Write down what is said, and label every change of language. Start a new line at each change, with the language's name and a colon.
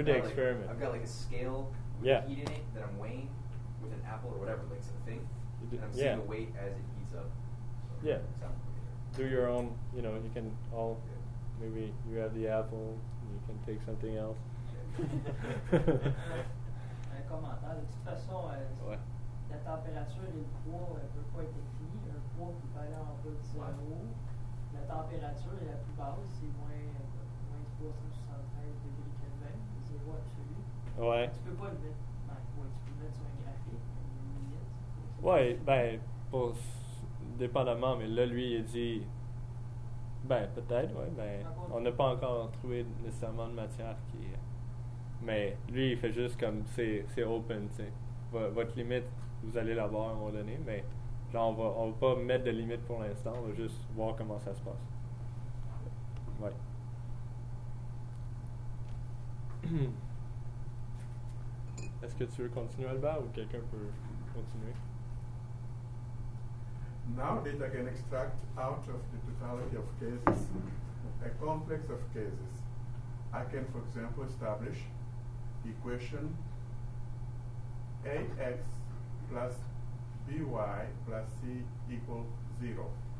English: I've the experiment. Like, I've got like a scale. Yeah. Heat in it that I'm weighing with an apple or whatever, like some thing, and I'm seeing yeah. the weight as it heats up. So yeah. Do your own, you know, you can all, maybe you have the apple, and you can take something else.
French: Un commentaire, de toute façon, la température et le poids ne peuvent pas être définis. Un poids peut aller en bas de 0. La température est la plus basse, c'est moins 373 degrés Kelvin, 0 absolu. Ouais. Tu peux pas le mettre, ouais, tu peux mettre sur un graphique, une limite. Ouais, ben, pour, dépendamment, mais là, lui, il dit, ben, peut-être, ouais, ben, on n'a pas encore trouvé nécessairement de matière qui. Mais lui, il fait juste comme, c'est open, tu sais. Votre limite, vous allez l'avoir à un moment donné, mais, genre, on va pas mettre de limite pour l'instant, on va juste voir comment ça se passe. Ouais. Est-ce que tu veux continuer Alba ou quelqu'un peut continuer?
English: Now that I can extract out of the totality of cases a complex of cases, I can, for example, establish the equation ax plus by plus c equals 0.